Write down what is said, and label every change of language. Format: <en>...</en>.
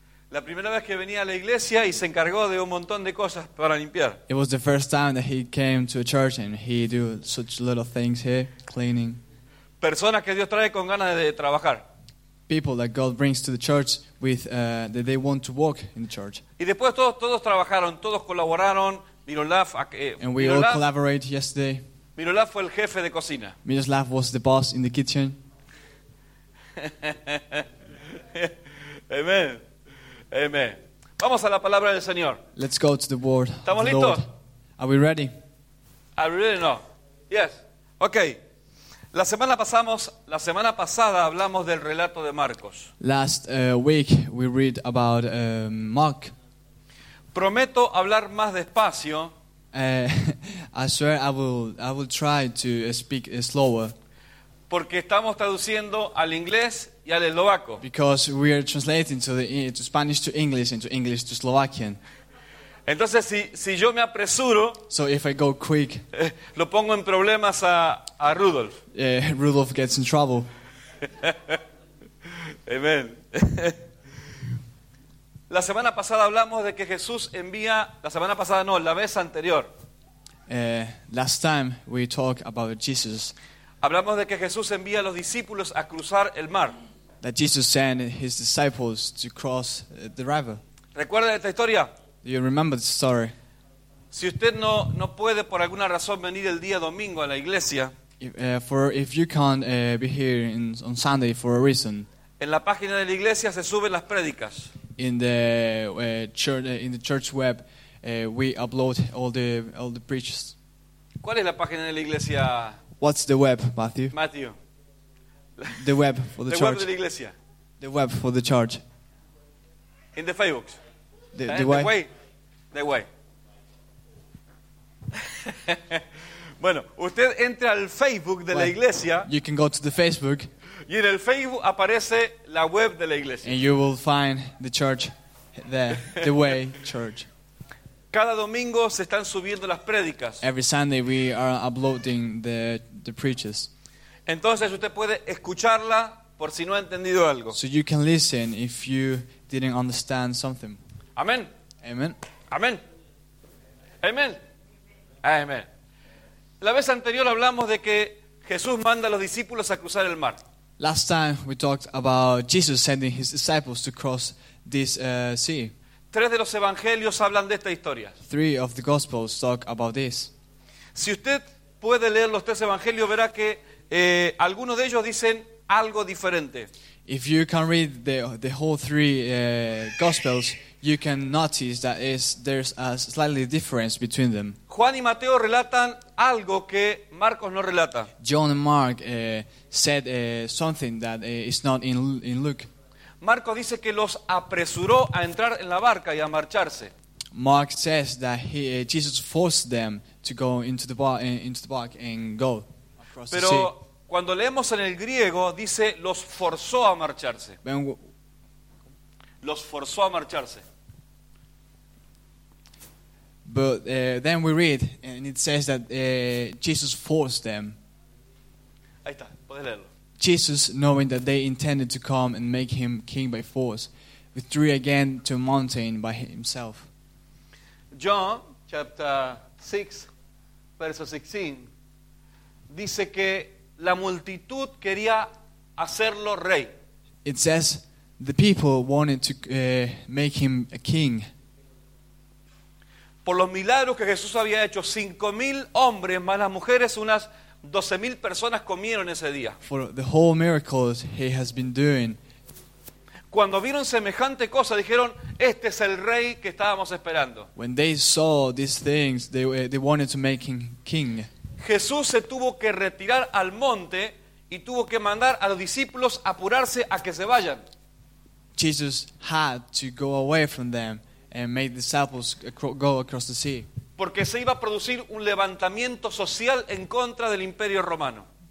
<es>La primera vez que venía a la iglesia y se encargó de un montón de cosas para limpiar.</es> <en>It was the first time that he came to a church and he do such little things here, cleaning.</en> <es>Personas que Dios trae con ganas de trabajar.</es> <en>People that God brings to the church with that they want to walk in the church.</en> <es>Y después todos trabajaron, todos colaboraron. Miroslav,</es> <en>and we all collaborate yesterday.</en> <es>Miroslav fue el jefe de cocina.</es> <en>Miroslav was the boss in the kitchen.</en> <es>Amen. Amen. Vamos a la palabra del Señor.</es> <en>Let's go to the word.</en> <es>¿Estamos</es> <en>the</en> <es>listos?</es> <en>Lord. Are we ready? Are we ready? No. Yes. Okay.</en> <es>La semana pasada hablamos del relato de Marcos.</es> <en>Last week we read about Mark.</en> <es>Prometo hablar más despacio.</es> <en>I swear I will try to speak slower.</en> <es>Porque estamos traduciendo al inglés y al eslovaco.</es> <en>Because we are translating to Spanish to English and to English to Slovakian.</en> <es>Entonces si yo me apresuro,</es> <en>so if I go quick,</en> <es>lo pongo en problemas a Rudolf.</es> <en>Rudolf gets in trouble. Amen.</en> <es>La semana pasada hablamos de que Jesús envía, la semana pasada no, la vez anterior.</es> <en>Last time we talked about Jesus.</en> <es>Hablamos de que Jesús envía a los discípulos a cruzar el mar.</es> <en>That Jesus sent his disciples to cross the river.</en> <es>¿Recuerdan esta historia?</es> <en>Do you remember the story?</en> <es>Si usted no puede por alguna razón venir el día domingo a la iglesia,</es> <en>if you can't be here on Sunday for a reason,</en> <es>en la página de la iglesia se suben las prédicas.</es> <en>In the church web, we upload all the preaches.</en> <es>¿Cuál es la página de la iglesia?</es> <en>What's the web, Matthew? Matthew. The web for the church. The web</en> <es>de la iglesia.</es> <en>The web for the church. In the Facebook. The way.</en> <es>Bueno, usted entra al Facebook de la iglesia.</es> <en>You can go to the Facebook.</en> <es>Y en el Facebook aparece la web de la iglesia.</es> <en>And you will find the church there, the way church.</en> <es>Cada domingo se están subiendo las prédicas.</es> <en>Every Sunday we are uploading the preaches.</en> <es>Entonces usted puede escucharla por si no ha entendido algo.</es> <en>So you can listen if you didn't understand something.</en> <es>Amén.</es> <en>Amen.</en> <es>Amén. Amén. Amén. La vez anterior hablamos de que Jesús manda a los discípulos a cruzar el mar.</es> <en>Last time we talked about Jesus sending his disciples to cross this sea.</en> <es>Tres de los evangelios hablan de esta historia.</es> <en>Three of the gospels talk about this.</en> <es>Si usted puede leer los tres evangelios, verá que algunos de ellos dicen algo diferente.</es> <en>If you can read the whole three gospels, you can notice that there's a slightly difference between them.</en> <es>Juan y Mateo relatan algo que Marcos no relata.</es> <en>John and Mark said something that is not in Luke.</en> <es>Marcos dice que los apresuró a entrar en la barca y a marcharse.</es> <en>Mark says that Jesus forced them to go into the bark and go across</en> <es>Pero</es> <en>the sea.</en> <es>Pero cuando leemos en el griego dice los forzó a marcharse. Los forzó a marcharse.</es> <en>But then we read and it says that Jesus forced them.</en> <es>Ahí está, puedes leerlo.</es> <en>Jesus, knowing that they intended to come and make him king by force, withdrew again to a mountain by himself.</en> <es>John,</es> <en>chapter 6, verse 16,</en> <es>dice que la multitud quería hacerlo rey.</es> <en>It says the people wanted to make him a king.</en> <es>Por los milagros que Jesús había hecho, 5,000 hombres más las mujeres, unas 12,000 personas comieron ese día.</es> <en>For the whole miracles he has been doing.</en> <es>Cuando vieron semejante cosa, dijeron, este es el rey que estábamos esperando.</es> <en>When they saw these things, they wanted to make him king.</en> <es>Jesús se tuvo que retirar al monte y tuvo que mandar a los discípulos a apurarse a que se vayan.</es> <en>Jesus had to go away from them and make the disciples go across the sea.</en> <es>Porque se iba a producir un levantamiento social en contra del Imperio Romano.</es>